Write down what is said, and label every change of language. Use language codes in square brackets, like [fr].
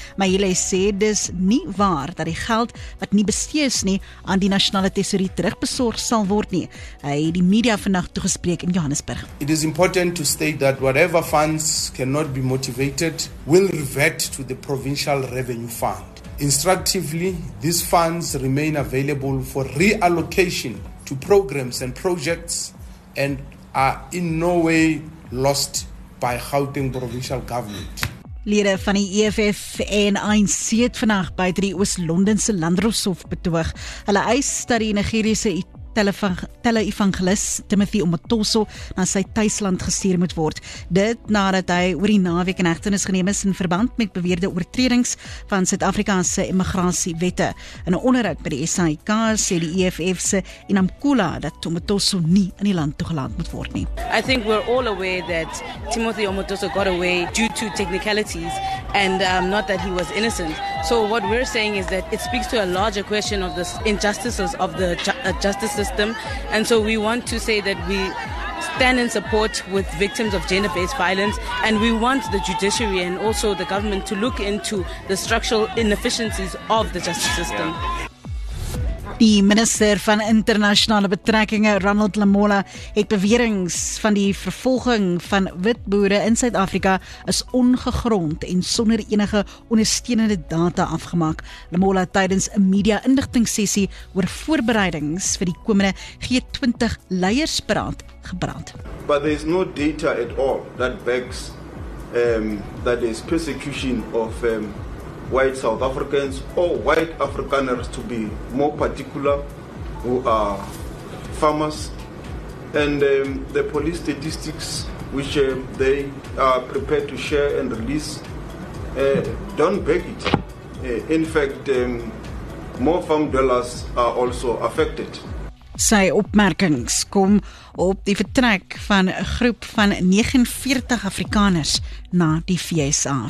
[af] Maar hulle sê dis nie waar dat die geld wat nie bestee is nie aan die nationale tesorie terugbesorg sal word nie. Hy het die media vannacht toegespreek in Johannesburg. [en] It is important to state that whatever funds cannot be motivated will revert to the provincial revenue fund. Instructively, these funds remain available for reallocation to programs and projects and are in no way lost by Gauteng provincial government. [af] Lede van die EFF en ANC het vannacht by die Oos-Londense Landrosof betoog. Hulle eis dat die Nigeriese televangelist Timothy Omotoso na sy tuisland gestuur moet word. Dit nadat hy oor die naweek in hegtenis geneem is in verband met beweerde oortredings van Suid-Afrikaanse immigrasiewette. In 'n onderhoud by die SAIK sê die EFF se Inamkula dat Omotoso nie in die land toegelaat moet word nie. [en] I think we're all aware that Timothy Omotoso got away due to technicalities and not that he was innocent. So what we're saying is that it speaks to a larger question of the injustices of the justice system, and so we want to say that we stand in support with victims of gender-based violence, and we want the judiciary and also the government to look into the structural inefficiencies of the justice system. [af] Die minister van internasionale betrekkinge, Ronald Lamola, het beweringe van die vervolging van wit boere in Suid-Afrika is ongegrond en sonder enige ondersteunende data afgemaak. Lamola tydens 'n media-inligtingsessie oor voorbereidings vir die komende G20 leiersberaad gebrand. [en] But there is no data at all that backs that there is persecution of white South Africans or white Afrikaners to be more particular, who are farmers, and the police statistics which they are prepared to share and release don't back it. In fact, more farm dwellers are also affected. [af] Sy opmerkings kom op die vertrek van 'n groep van 49 Afrikaners na die VSA.